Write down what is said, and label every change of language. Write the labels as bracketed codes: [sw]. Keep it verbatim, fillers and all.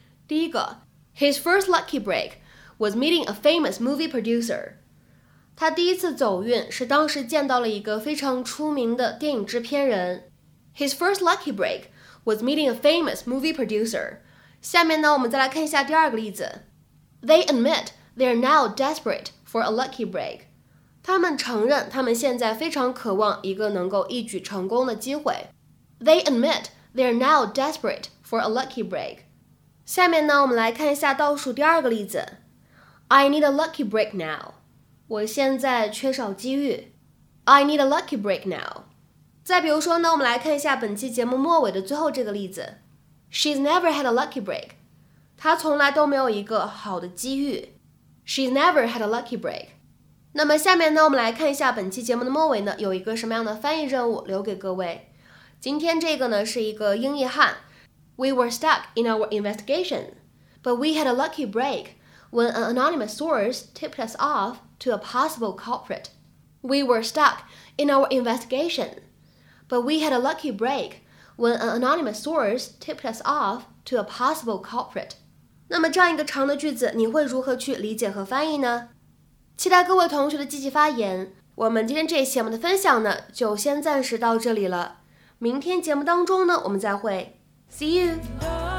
[zh] 第一个 [en] His first lucky break was meeting a famous movie producer. [zh] 他第一次走运是当时见到了一个非常出名的电影制片人。 [en] His first lucky break was meeting a famous movie producer. [zh] 下面呢，我们再来看一下第二个例子。 [en] They admit they are now desperate for a lucky break. [zh] 他们承认他们现在非常渴望一个能够一举成功的机会。 [en] They admit they are now desperate for a lucky break. [zh] 下面呢，我们来看一下倒数第二个例子。 [en] I need a lucky break now. [zh] 我现在缺少机遇。 [en] I need a lucky break now. [zh] 再比如说呢，我们来看一下本期节目末尾的最后这个例子。 [en] She's never had a lucky break. [zh] 她从来都没有一个好的机遇。 [en] She's never had a lucky break. [zh] 那么下面呢，我们来看一下本期节目的末尾呢，有一个什么样的翻译任务留给各位。今天这个呢，是一个英译汉。 [en] We were stuck in our investigation, but we had a lucky break when an anonymous source tipped us off to a possible culprit. We were stuck in our investigation, but we had a lucky break when an anonymous source tipped us off to a possible culprit. [zh] 那么这样一个长的句子，你会如何去理解和翻译呢？期待各位同学的积极发言。我们今天这一期我们的分享呢，就先暂时到这里了。明天节目当中呢，我们再会。 [en] See you!